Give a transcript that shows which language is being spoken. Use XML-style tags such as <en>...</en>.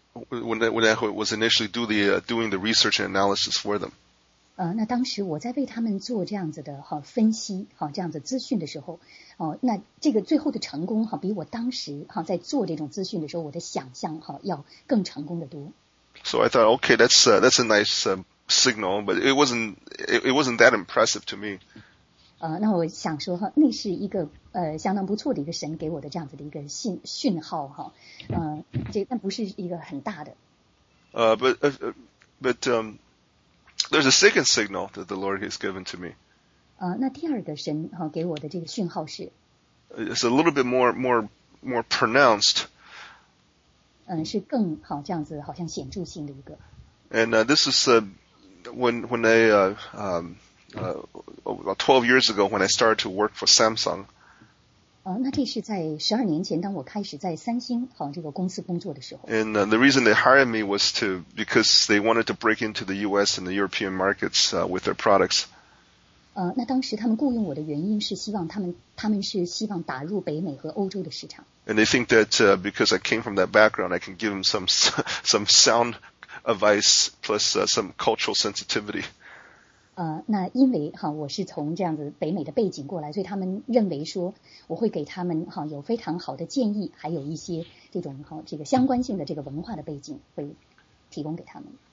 <en>When I was initially doing the research and analysis for them.</en> <zh>那当时我在为他们做这样子的分析这样子资讯的时候那这个最后的成功比我当时在做这种资讯的时候我的想象要更成功的多。</zh> <en>So I thought, okay, that's a nice signal, but it wasn't that impressive to me.</en> <zh>那我想说那是一个相当不错的一个神给我的这样子的一个讯号哈，这不是一个很大的。</zh> <en>But there's a second signal that the Lord has given to me.</en> <zh>那第二个神给我的这个讯号是。</zh> <en>It's a little bit more pronounced.</en> <zh>是更好这样子好像显著性的一个。</zh> <en>And this is when I about 12 years ago when I started to work for Samsung.</en> <zh>那这是在12年前当我开始在三星好这个公司工作的时候。</zh> <en>And the reason they hired me was because they wanted to break into the US and the European markets with their products.</en> <zh>那当时他们雇佣我的原因是希望他们是希望打入北美和欧洲的市场。</zh> <en>And they think that because I came from that background, I can give them some sound advice plus some cultural sensitivity.</en> <zh>那因为哈我是从这样子北美的背景过来，所以他们认为说我会给他们哈有非常好的建议，还有一些这种哈这个相关性的这个文化的背景会提供给他们。</zh>